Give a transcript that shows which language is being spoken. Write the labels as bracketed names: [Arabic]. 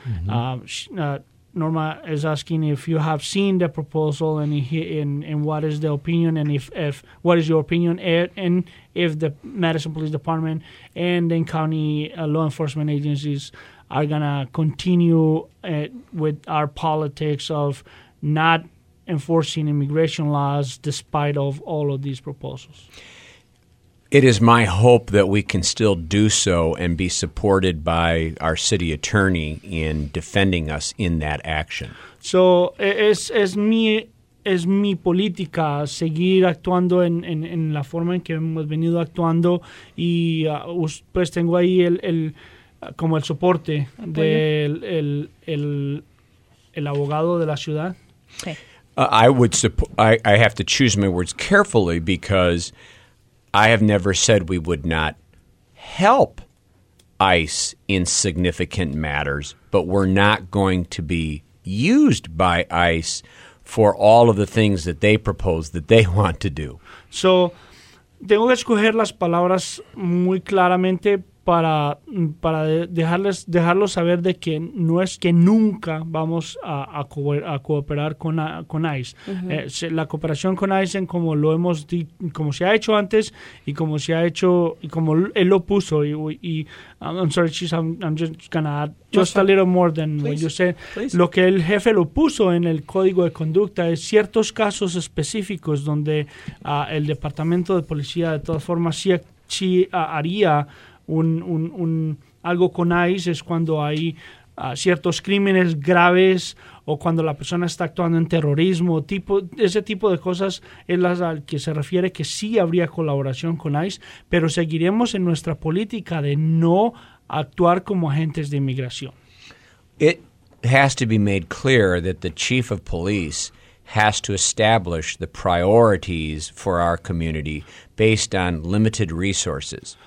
[English] Mm-hmm. Norma is asking if you have seen the proposal and what is the opinion and if what is your opinion and if the Madison Police Department and then county law enforcement agencies are gonna continue with our politics of not enforcing immigration laws despite of all of these proposals. It is my hope that we can still do so and be supported by our city attorney in defending us in that action. [Spanish] So es mi política seguir actuando en la forma en que hemos venido actuando y pues tengo ahí el como el soporte del el abogado de la ciudad. [English] Okay. I would I have to choose my words carefully because I have never said we would not help ICE in significant matters, but we're not going to be used by ICE for all of the things that they propose that they want to do. [Spanish] So, tengo que escoger las palabras muy claramente para dejarlos saber de que no es que nunca vamos a cooperar con ICE. Uh-huh. La cooperación con ICE, en como lo hemos como se ha hecho antes y como se ha hecho y como él lo puso y [English] I'm sorry, Chief, I'm just gonna add just a little more than please, what you said. Please. [Spanish] Lo que el jefe lo puso en el código de conducta es ciertos casos específicos donde el departamento de policía de todas formas sí haría un algo con ICE es cuando hay ciertos crímenes graves o cuando la persona está actuando en terrorismo, ese tipo de cosas es las al que se refiere que sí habría colaboración con ICE, pero seguiremos en nuestra política de no actuar como agentes de inmigración. [English] It has to be made clear that the chief of police has to establish the priorities for our community based on limited resources.